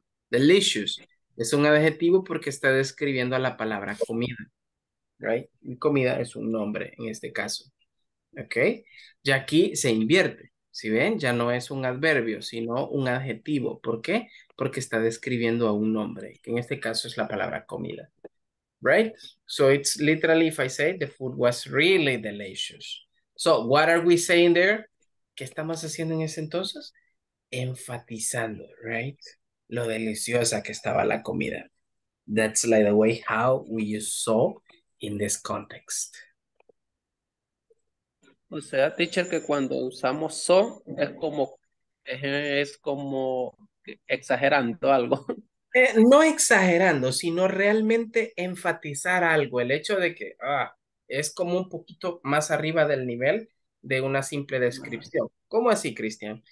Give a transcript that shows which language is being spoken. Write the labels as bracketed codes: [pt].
[es] Delicious es un adjetivo porque está describiendo la palabra comida. Right? Y comida es un nombre en este caso. Okay? Y aquí se invierte. Si ven, ya no es un adverbio, sino un adjetivo. ¿Por qué? Porque está describiendo a un nombre, que en este caso es la palabra comida. [en] Right? So it's literally, if I say, the food was really delicious. So what are we saying there? [es] ¿Qué estamos haciendo en ese entonces? Enfatizando, right? Lo deliciosa que estaba la comida. [en] That's like the way how we use so in this context. [es] O sea, teacher, que cuando usamos so, es como exagerando algo. No exagerando, sino realmente enfatizar algo. El hecho de que es como un poquito más arriba del nivel de una simple descripción. ¿Cómo así, Cristian?